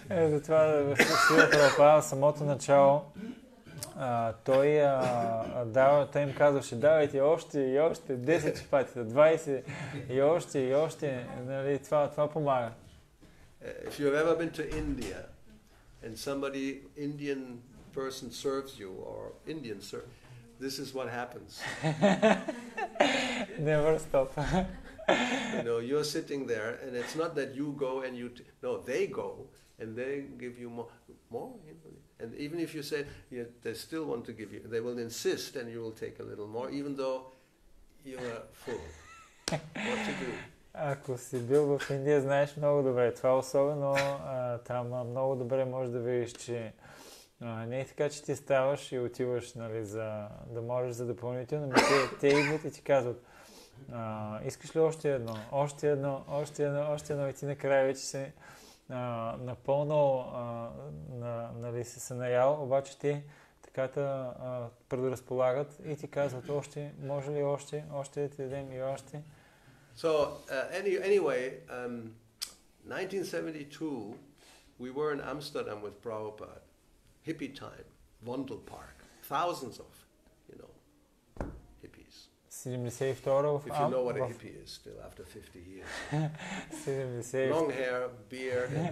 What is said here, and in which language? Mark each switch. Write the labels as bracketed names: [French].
[Bulgarian] Затова Сила Прабхупада в самото начало, той им казваше, давайте още и още, 10 чапатита, 20 и още, нали, това помага. [English] If you've ever been to India, and somebody, Indian person serves you, or Indian serve, this is what happens. Never stop. You know, you're sitting there, and it's not that you go and you... No, they go, and they give you more. You know, and even if you say, yeah, they still want to give you, they will insist, and you will take a little more, even though you are full. What to do? [Bulgarian] Ако си бил в Индия, знаеш много добре. Това особено, там много добре можеш да видиш, че не е така, че ти ставаш и отиваш, нали, да можеш за допълнително, но те идват и ти казват, искаш ли още едно, още едно, и ти накрая вече си напълно, нали, си се наял, обаче ти така те предразполагат и ти казват, още, може ли още да ти дадем и още. [English] So, anyway, 1972, we were in Amsterdam with Prabhupada. Hippie time, Vondel Park, thousands of, you know, hippies. [Bulgarian] 72-ро. [English] If you know what a hippie is, still after 50 years. Long hair, beard.